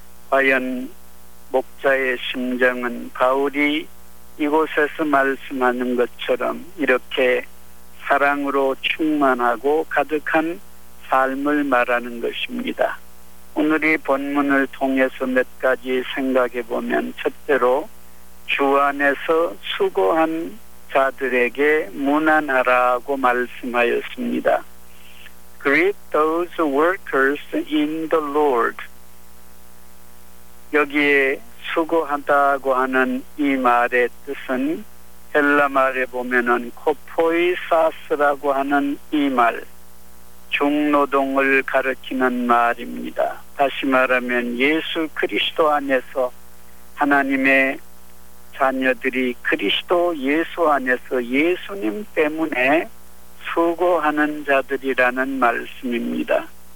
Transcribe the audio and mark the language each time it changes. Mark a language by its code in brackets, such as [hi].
[ko] 과연 목자의 심정은 바울이 이곳에서 말씀하는 것처럼 이렇게 사랑으로 충만하고 가득한 삶을 말하는 것입니다. 오늘 이 본문을 통해서 몇 가지 생각해 보면 첫째로 주 안에서 수고한 자들에게 문안하라고 말씀하였습니다. [en] Greet those workers in the Lord. [ko] 여기에 수고한다고 하는 이 말의 뜻은 헬라 말에 보면은 코포이사스라고 하는 이 말 중노동을 가르치는 말입니다. 다시 말하면 예수 그리스도 안에서 하나님의 자녀들이 그리스도 예수 안에서 예수님 때문에 수고하는 자들이라는 말씀입니다.